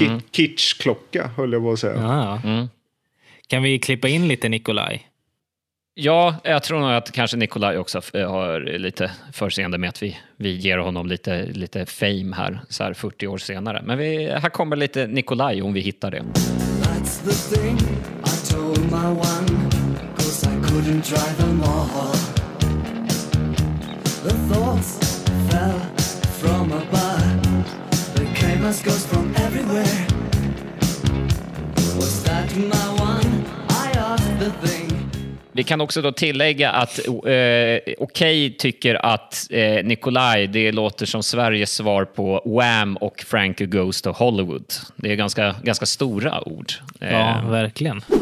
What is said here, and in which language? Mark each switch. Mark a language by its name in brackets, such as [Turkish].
[Swedish] Kitsch-klocka höll jag på att säga. Kan vi klippa in lite Nikolaj? Ja, jag tror nog att kanske Nikolaj också har lite förseende med att vi ger honom lite fame här, så här 40 år senare. Men här kommer lite Nikolaj om vi hittar det. [English] That's the thing I told my one, 'cause I couldn't drive them all. The thoughts fell from above. They came as ghosts from everywhere. Was that my one? I asked the thing. [Swedish] Vi kan också då tillägga att Okej tycker att Nikolaj, det låter som Sveriges svar på Wham och Frank Goes to Hollywood. Det är ganska, ganska stora ord. Ja, verkligen.